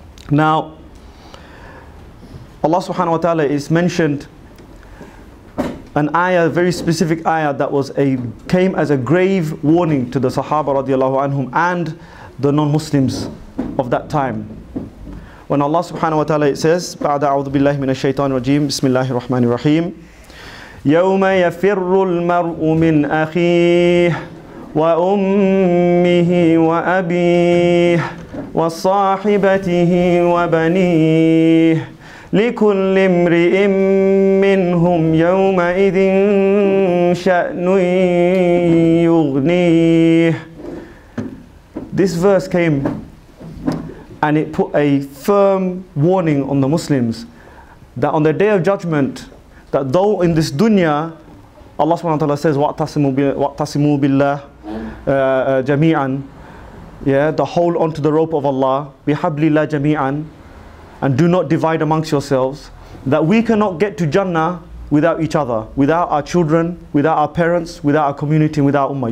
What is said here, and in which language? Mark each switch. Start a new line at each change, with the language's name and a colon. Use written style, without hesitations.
English: Now, Allah subhanahu wa ta'ala is mentioned an ayah, a very specific ayah that was a came as a grave warning to the Sahaba radiallahu anhum and the non-Muslims of that time. When Allah subhanahu wa ta'ala it says,
Arabic: بعد أعوذ بالله من الشيطان الرجيم بسم الله الرحمن الرحيم يوم يفر المرء من أخيه وأمه وأبيه وصاحبته وبنيه لكل امرئ منهم يومئذ شأن يغنيه.
English: This verse came and it put a firm warning on the Muslims that on the Day of Judgment, that though in this dunya, Allah subhanahu wa ta'ala says,
Arabic: وَاتَّصِمُوا بِاللَّهِ جَمِيعًا,
English: yeah, the hold onto the rope of Allah,
Arabic: بِحَبْلِ اللَّهِ جَمِيعًا,
English: and do not divide amongst yourselves, that we cannot get to Jannah without each other, without our children, without our parents, without our community, without ummah.